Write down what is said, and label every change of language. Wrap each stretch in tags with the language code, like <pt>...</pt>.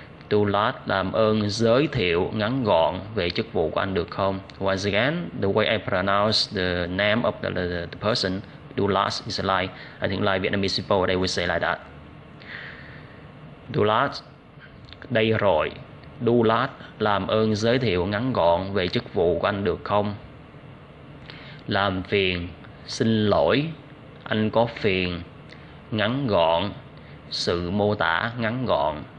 <vi>Dulat, làm ơn giới thiệu ngắn gọn về chức vụ của anh được không?</vi> <en>Once again, the way I pronounce the name of the person, Dulat, is like, I think like Vietnamese people, they will say like that.</en> <vi>Dulat, đây rồi. Dulat, làm ơn giới thiệu ngắn gọn về chức vụ của anh được không? Làm phiền, xin lỗi, anh có phiền, ngắn gọn, sự mô tả ngắn gọn.</vi>